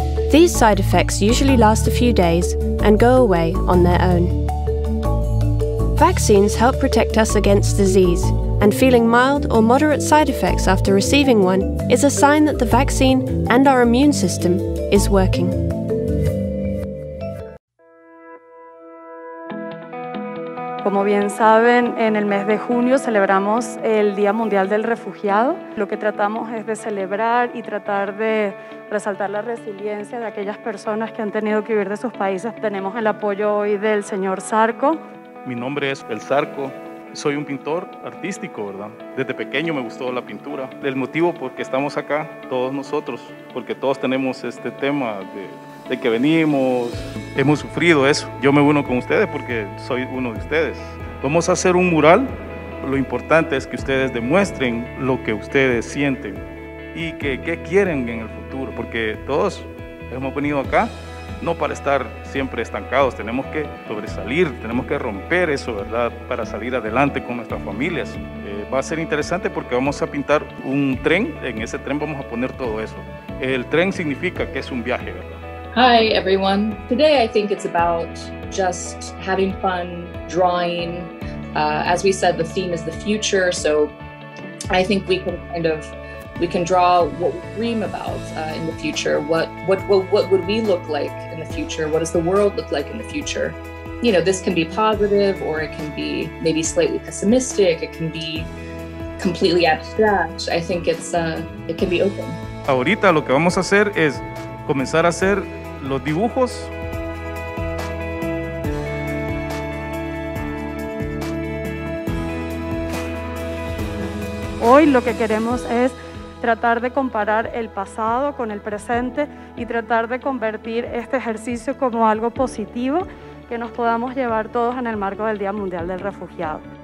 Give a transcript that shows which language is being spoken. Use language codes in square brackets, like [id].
[en] These side effects usually last a few days and go away on their own. Vaccines help protect us against disease, and feeling mild or moderate side effects after receiving one is a sign that the vaccine and our immune system is working. [es] Como bien saben, en el mes de junio celebramos el Día Mundial del Refugiado. Lo que tratamos es de celebrar y tratar de resaltar la resiliencia de aquellas personas que han tenido que huir de sus países. Tenemos el apoyo hoy del señor Zarco. Mi nombre es El Zarco. Soy un pintor artístico, ¿verdad? Desde pequeño me gustó la pintura. El motivo por qué estamos acá, todos nosotros, porque todos tenemos este tema de que venimos, hemos sufrido eso. Yo me uno con ustedes porque soy uno de ustedes. Vamos a hacer un mural. Lo importante es que ustedes demuestren lo que ustedes sienten y qué quieren en el futuro, porque todos hemos venido acá no para estar siempre estancados, tenemos que sobresalir, tenemos que romper eso, ¿verdad?, para salir adelante con nuestras familias. Va a ser interesante porque vamos a pintar un tren. En ese tren vamos a poner todo eso. El tren significa que es un viaje, ¿verdad? [en] Hi everyone. Today I think it's about just having fun, drawing. As we said, the theme is the future, so I think we can draw what we dream about in the future. What would we look like in the future? What does the world look like in the future? You know, this can be positive or it can be maybe slightly pessimistic. It can be completely abstract. I think it can be open. [es] Ahorita lo que vamos a hacer es comenzar a hacer los dibujos. Hoy lo que queremos es tratar de comparar el pasado con el presente y tratar de convertir este ejercicio como algo positivo que nos podamos llevar todos en el marco del Día Mundial del Refugiado.